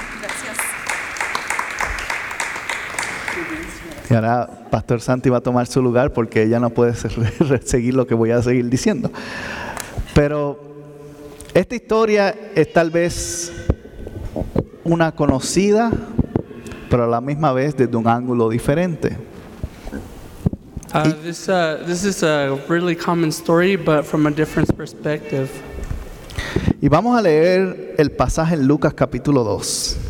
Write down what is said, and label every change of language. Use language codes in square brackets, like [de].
[es] Gracias. Y ahora Pastor Santi va a tomar su lugar porque ella no puede seguir lo que voy a seguir diciendo. Pero esta historia es tal vez una conocida, pero a la misma vez desde un ángulo diferente. [en] This is a really common story, but from a different perspective. [es] Y vamos a leer el pasaje en Lucas capítulo 2.